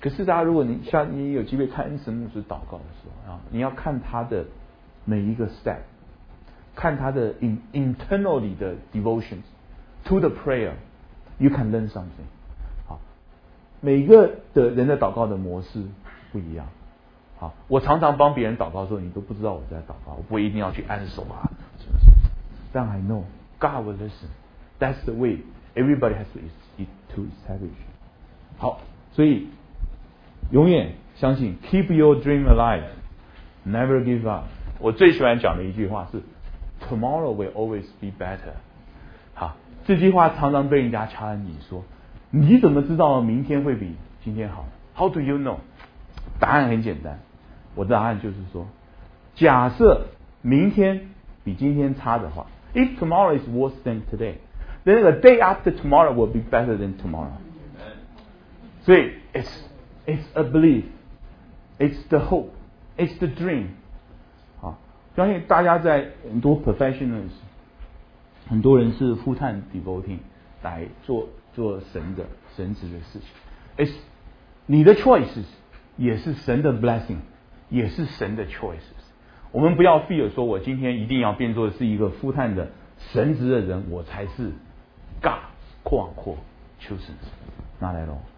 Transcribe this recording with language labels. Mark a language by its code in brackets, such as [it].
[zh] 可是大家，如果你像你有机会看恩子牧师祷告的时候啊，你要看他的每一个 step， 看他的 internally 的 [en] devotions to the prayer， you can learn something。 [zh] 好，每个的人的祷告的模式不一样。好，我常常帮别人祷告的时候，你都不知道我在祷告，我不一定要去按手啊。但 [en] I know God will listen. That's the way everybody has to establish. [zh] 好，所以永远相信 [en] Keep your dream alive, never give up. [zh] 我最喜欢讲的一句话是 [en] Tomorrow will always be better. [zh] 好，这句话常常被人家敲你说，你怎么知道明天会比今天好？ [en] How do you know? [zh] 答案很简单，我的答案就是说，假设明天比今天差的话， [en] If tomorrow is worse than today, then the day after tomorrow will be better than tomorrow. [zh] 所以 [en] it's a belief, it's the hope, it's the dream. [zh] 相信大家在很多 professionals， 很多人是 [en] full time devoting [zh] 来做神职的事情， it's 你的 choices 也是神的 blessing，也是神的 choices。我们不要 fear 说我今天一定要变作是一个富探的神职的人，我才是 [en] God quote chosen， not at all。